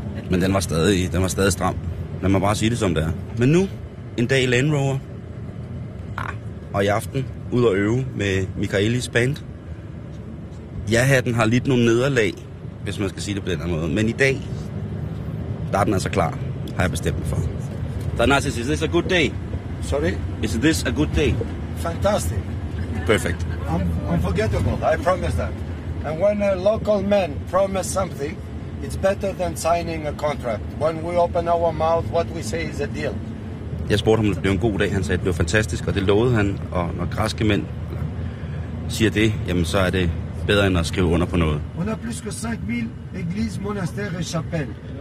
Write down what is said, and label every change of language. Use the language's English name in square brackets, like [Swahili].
[Danish] Men den var stadig stram. Lad mig bare sige det, som det er. Men nu, en dag i Land Rover. Og i aften, ud at øve med Michaelis band. Ja-hatten har lidt nogle nederlag, hvis man skal sige det på den her måde. Men i dag, der er den altså klar, har jeg bestemt mig for. [English] Thanasis, is this a good day? Sorry? Is this a good day? Fantastic. Perfect. I'm unforgettable, I promise that. And when a local man promise something, it's better than signing a contract. When we open our mouth, what we say is a deal. [Danish] Jeg spurgte ham, om det blev en god dag. Han sagde, at det blev fantastisk, og det lovede han. Og når græske mænd siger det, jamen så er det bedre end at skrive under på noget. [French] On a plus que 5000 églises, monastères et chapelles.